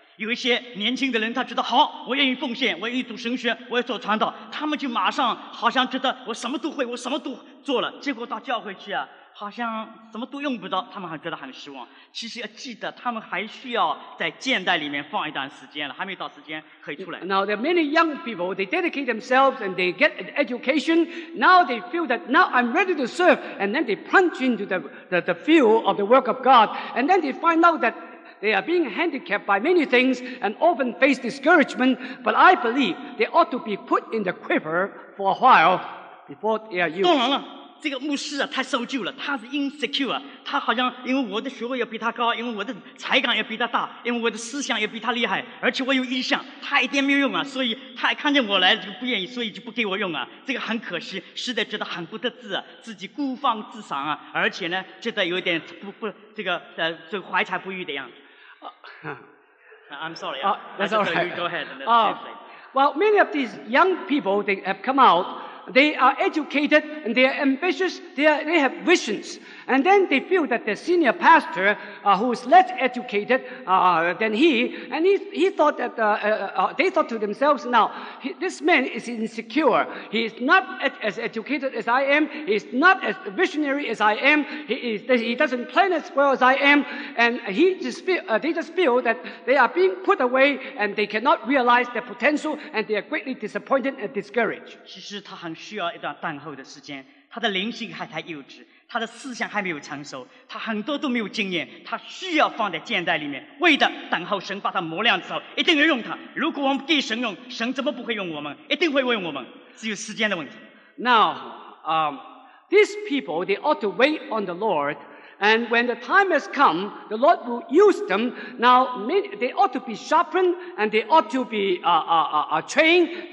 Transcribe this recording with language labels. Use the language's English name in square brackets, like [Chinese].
[Chinese] 有一些年轻的人，他觉得好，我愿意奉献，我愿意读神学，我要做传道，他们就马上好像觉得我什么都会，我什么都做了，结果到教会去啊，好像什么都用不着，他们还觉得很失望。其实要记得，他们还需要在现代里面放一段时间了，还没到时间可以出来。 [English] Now there are many young people. They dedicate themselves and they get an education. Now they feel that now I'm ready to serve, and then they plunge into the field of the work of God, and then they find out that. They are being handicapped by many things and often face discouragement, but I believe they ought to be put in the quiver for a while before they are used. [Chinese] 当然了，这个牧师啊太受救了，他是 insecure， 他好像因为我的学位要比他高，因为我的才干要比他大，因为我的思想要比他厉害，而且我有意向，他一点没有用啊，所以他看见我来就不愿意，所以就不给我用啊，这个很可惜，实在觉得很不得志啊，自己孤芳自赏啊，而且呢觉得有点这个怀才不遇的样子。 [English] I'm sorry. That's all right. Go ahead. Well, many of these young people, they have come out. They are educated and they are ambitious. They have visions. And then they feel that the senior pastor, who is less educated than he, and he thought that, they thought to themselves, now, this man is insecure. He is not as educated as I am. He is not as visionary as I am. He doesn't plan as well as I am. And they just feel that they are being put away and they cannot realize their potential and they are greatly disappointed and discouraged. [Chinese] 其实他很需要一段等候的时间，他的灵性还太幼稚。他的思想还没有成熟，他很多都没有经验，他需要放在箭袋里面，为的等候神把他磨亮之后一定要用他。如果我们给神用，神怎么不会用我们？一定会用我们，只有时间的问题。 [English] Now, these people, they ought to wait on the Lord, and when the time has come, the Lord will use them. Now, they ought to be sharpened, and they ought to be trained.